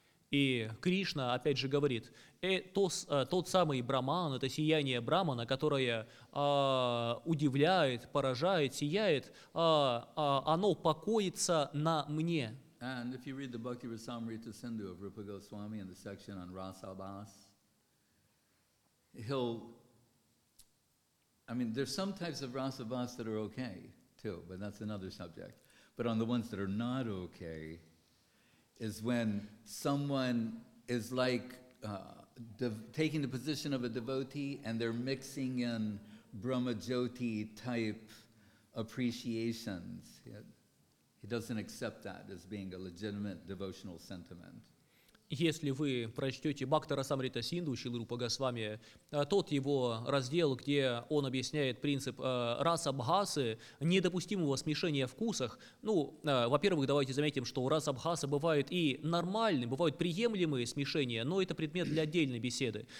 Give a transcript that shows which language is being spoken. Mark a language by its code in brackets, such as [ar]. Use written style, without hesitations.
[ru] И Кришна опять же говорит, тот самый Брахман, это сияние Брахмана, которое удивляет, поражает, сияет, оно покоится на мне. [en] And if you read the Bhakti Rasamrita Sindhu of Rupa Goswami in the section on Rasa Bhas, he'll, I mean, there's some types of Rasa Bhas that are okay too, but that's another subject. But on the ones that are not okay, is when someone is like taking the position of a devotee and they're mixing in Brahmajyoti type appreciations. He doesn't accept that as being a legitimate devotional sentiment. [ru] Если вы прочтете Бхакта Расамрита Синду Шрилы Рупа Госвами, тот его раздел, где он объясняет принцип раса-бхасы, недопустимого смешения вкусов. Ну, во-первых, давайте заметим, что раса-бхасы бывают и нормальные, бывают приемлемые смешения, но это предмет для отдельной беседы.